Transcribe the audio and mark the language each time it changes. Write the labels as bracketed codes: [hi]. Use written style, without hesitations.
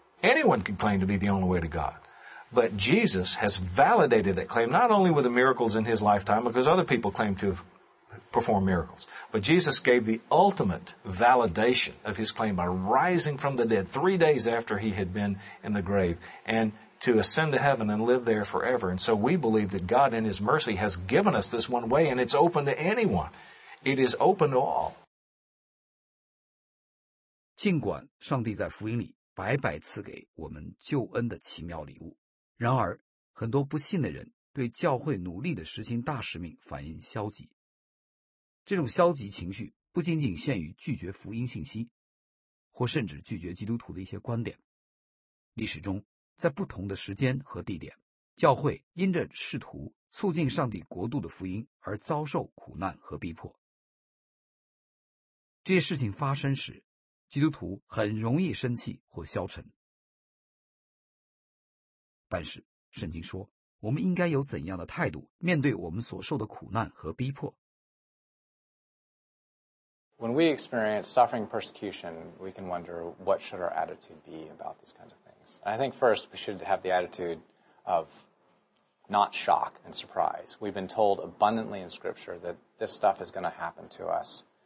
[en] Anyone could claim to be the only way to God. But Jesus has validated that claim, not only with the miracles in his lifetime, because other people claim to perform miracles, but Jesus gave the ultimate validation of his claim by rising from the dead 3 days after he had been in the grave and to ascend to heaven and live there forever. And so we believe that God in his mercy has given us this one way, and it's open to anyone. It is open to all. [zh] 尽管上帝在福音里白白赐给我们救恩的奇妙礼物，然而很多不信的人对教会努力的实行大使命反应消极。这种消极情绪不仅仅限于拒绝福音信息，或甚至拒绝基督徒的一些观点。历史中，在不同的时间和地点，教会因着试图促进上帝国度的福音而遭受苦难和逼迫。这些事情发生时，基督徒很容易生气或消沉。但是，圣经说，我们应该有怎样的态度面对我们所受的苦难和逼迫？ [en] When we experience suffering and persecution, we can wonder what should our attitude be about these kinds of things. I think first we should have the attitude of not shock and surprise. We've been told abundantly in Scripture that this stuff is going to happen to us.